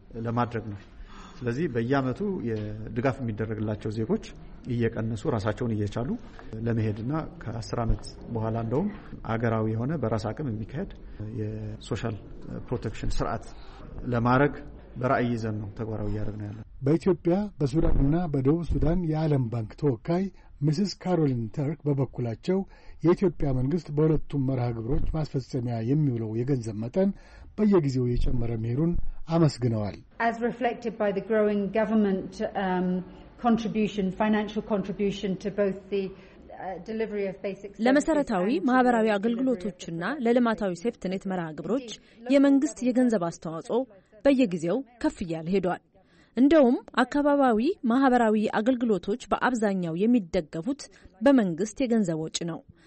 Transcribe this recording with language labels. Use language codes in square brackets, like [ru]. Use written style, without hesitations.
[am] ለማድረግ ነው። ስለዚህ በየአመቱ የድጋፍ የሚደረግላቸው ዜጎች እየቀነሱ ራሳቸውን እየቻሉ ለመሄድና ከ10 አመት በኋላ እንደውም አገራዊ የሆነ በራስ አቅም የሚካሄድ የሶሻል ፕሮቴክሽን ስርዓት ለማድረግ በራእይ ይዘን ነው ተግባራዊ ያደረግነው ያለው። በኢትዮጵያ በሱዳንና በደቡብ ሱዳን የዓለም ባንክ ተወካይ ሚስስ ካሮሊን ተርክ በበኩላቸው የኢትዮጵያ መንግስት በሁለቱም መርሃ ግብሮች ማስፈጸሚያ የሚውለው የገንዘብ መጠን በየጊዜው እየጨመረ መሄዱን አመስግነዋል። [en] As reflected by the growing government contribution, financial contribution to both the delivery of basic services. [am] ለመሰረታዊ ማህበራዊ አገልግሎቶችና ለልማታዊ ሴፍትኔት መርሃ ግብሮች የመንግስት የገንዘብ አስተዋጽኦ በየጊዜው ከፍ እያለ ሄዷል። እንደውም አካባቢያዊ ማህበራዊ አገልግሎቶች በአብዛኛው የሚደገፉት በመንግስት የገንዘብ ወጪ ነው።